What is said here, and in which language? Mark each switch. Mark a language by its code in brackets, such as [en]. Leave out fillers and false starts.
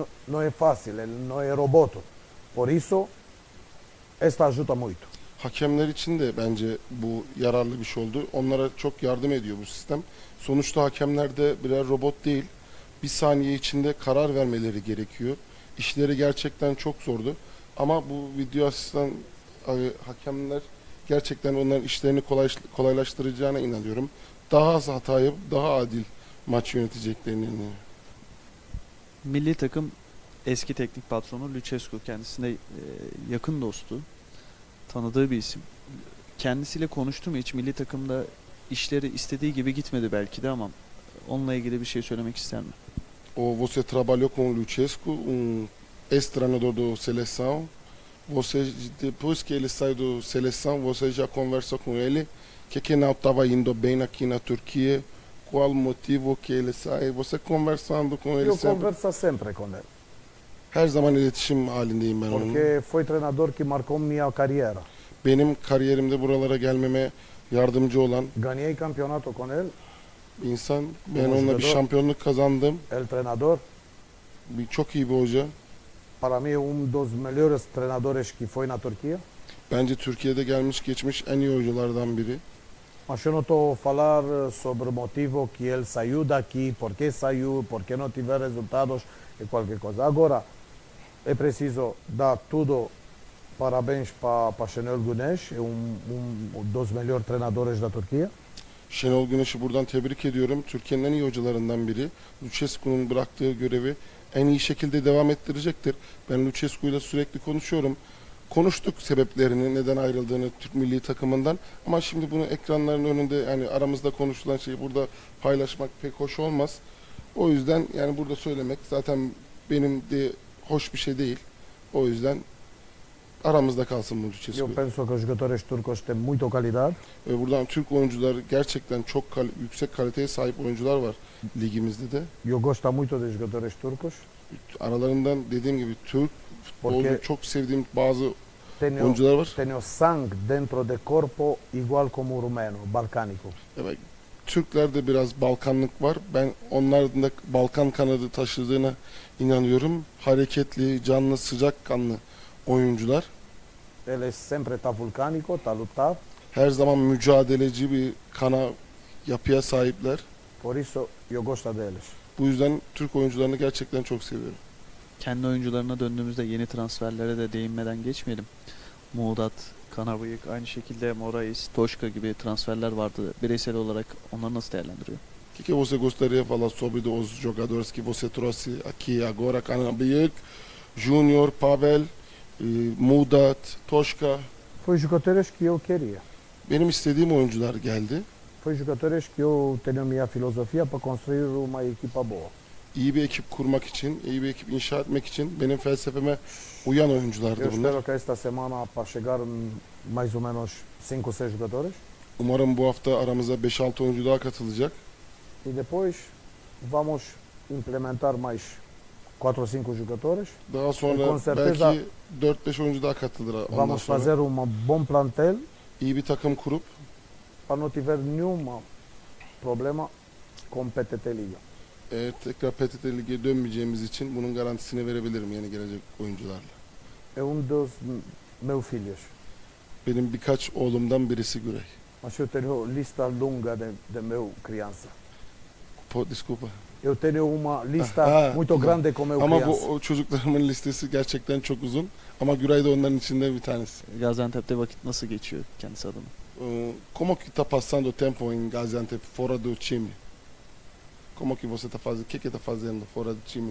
[pt] Não é fácil, ele não é robô. Por isso, esta ajuda muito. [tr] hakemler için de bence bu yararlı bir şey oldu. Onlara çok yardım ediyor bu sistem. Sonuçta hakemler de birer robot değil. Bir saniye içinde karar vermeleri gerekiyor. İşleri gerçekten çok zordu. Ama bu video asistan hakemler gerçekten onların işlerini kolaylaştıracağına inanıyorum. Daha az hata yapıp daha adil maç yöneteceklerine inanıyorum. Milli takım eski teknik patronu Lucescu, kendisine yakın dostu, tanıdığı bir isim. Kendisiyle konuştu mu hiç? Milli takımda işleri istediği gibi gitmedi belki de, ama onunla ilgili bir şey söylemek ister mi? [pt] O você trabalhou com Lucescu, ex-treinador do seleção. Você depois que ele saiu do seleção, você já conversou com ele? Que não estava indo bem aqui na Turquia? Qual motivo que ele sai? Você conversando com ele? Eu converso sempre com ele. [tr] Her zaman iletişim halindeyim ben onunla. [pt] Porque foi treinador que marcou minha carreira. [tr] Benim kariyerimde buralara gelmeme yardımcı olan. [pt] Ganhei campeonato com ele. [tr] İnsan, ben onunla bir şampiyonluk kazandım. [pt] El treinador. [tr] Bir çok iyi bir hoca. [pt] Para mim dos melhores treinadores que foi na Turquia. [tr] Bence Türkiye'de gelmiş geçmiş en iyi hocalardan biri. [pt] Mas eu não estou a falar sobre o motivo que ele saiu daqui, por que saiu, por que não tive resultados e qualquer coisa. Agora, é preciso dar tudo parabéns para Şenol Güneş, dos melhores treinadores da Turquia. [tr] Şenol Güneş'i buradan tebrik ediyorum. Türkiye'nin en iyi hocalarından biri. Lucescu'nun bıraktığı görevi en iyi şekilde devam ettirecektir. Ben Lucescu'yla sürekli konuşuyorum. Konuştuk sebeplerini, neden ayrıldığını Türk milli takımından. Ama şimdi bunu ekranların önünde, yani aramızda konuşulan şeyi burada paylaşmak pek hoş olmaz. O yüzden yani burada söylemek zaten benim de hoş bir şey değil. O yüzden aramızda kalsın bu Lucescu. [pt] Eu penso que os jogadores turcos têm muita qualidade. [tr] Buradan Türk oyuncular gerçekten çok yüksek kaliteye sahip oyuncular var ligimizde de. [pt] Eu gosto muito dos jogadores turcos. [tr] Aralarından dediğim gibi Türk futbolcu çok sevdiğim bazı oyuncular var. [pt] Tenho sangue dentro de corpo igual como o rumeno, balcânico. [tr] Evet. Türklerde biraz Balkanlık var. Ben onların da Balkan kanadı taşıdığına inanıyorum. Hareketli, canlı, sıcak kanlı oyuncular. [pt] Ele sempre ta vulcânico, ta lutar. [tr] Her zaman mücadeleci bir kana yapıya sahipler. [pt] Por isso eu gosto deles. [tr] Bu yüzden Türk oyuncularını gerçekten çok seviyorum. Kendi oyuncularına döndüğümüzde yeni transferlere de değinmeden geçmeyelim. Muğdat, Kanabıyık, aynı şekilde Morais, Toşka gibi transferler vardı. Bireysel olarak onları nasıl değerlendiriyor? [pt] O que você gostaria de falar sobre os jogadores que você trouxe aqui agora? Kanabıyık, Junior, Pavel, Muğdat, Toşka. Foi jogadores que eu queria. [tr] Benim istediğim oyuncular geldi. [pt] Foi jogadores que eu tenho minha filosofia para construir uma equipa boa. [tr] İyi bir ekip kurmak için, iyi bir ekip inşa etmek için benim felsefeme uyan oyunculardı bunlar. [pt] Espero que esta semana para chegar mais ou menos 5-6 jogadores. [tr] Umarım bu hafta aramıza 5-6 oyuncu daha katılacak. [pt] E depois vamos implementar mais 4-5 jogadores. [tr] Daha sonra belki 4-5 oyuncu daha katılır. [pt] Vamos fazer um bom plantel. [tr] İyi bir takım kurup. [pt] Para não tiver nenhum problema com PTT Liga. [tr] Eğer tekrar PTT Ligi'ye dönmeyeceğimiz için bunun garantisini verebilirim yeni gelecek oyuncularla. [pt] É um dos meus filhos. [tr] Benim birkaç oğlumdan birisi Güray. [pt] Mas eu tenho lista longa de meu criança. Desculpa. Eu tenho uma lista muito grande com meu criança. [tr] Ama bu çocuklarımın listesi gerçekten çok uzun. Ama Güray da onların içinde bir tanesi. Gaziantep'te vakit nasıl geçiyor kendisi adına? [pt] Como que está passando o tempo em Gaziantep fora do time? Como que você está fazendo? O que que está fazendo fora do time?